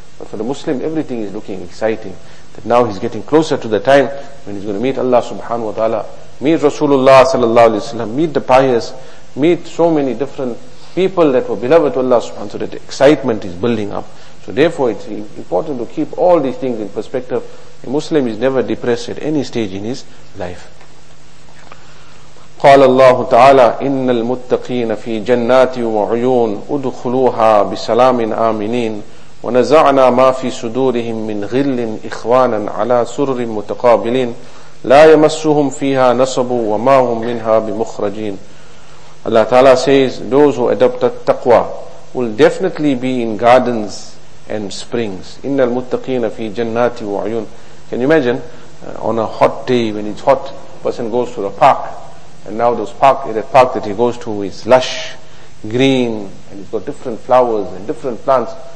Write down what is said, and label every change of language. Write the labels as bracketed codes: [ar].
[en] But for the Muslim, everything is looking exciting, that now he's getting closer to the time when he's going to meet Allah subhanahu wa ta'ala, meet Rasulullah sallallahu alayhi wa sallam, meet the pious, meet so many different people that were beloved to Allah subhanahu wa ta'ala, that excitement is building up. So therefore it's important to keep all these things in perspective. A Muslim is never depressed at any stage in his life. [ar] قال الله تعالى إن المتقين في جنات وعيون أدخلوها بسلام آمنين ونزعنا ما في صدورهم من غل إخوانا على سرر متقابلين لا يمسهم فيها نصب وما هم منها بمخرجين. [en] Allah Ta'ala says, those who adopt taqwa will definitely be in gardens and springs. [ar] إِنَّ الْمُتَّقِينَ فِي جَنَّاتِ وَعْيُونَ. [en] Can you imagine, on a hot day, when it's hot, person goes to the park, and now the park that he goes to is lush, green, and it's got different flowers and different plants.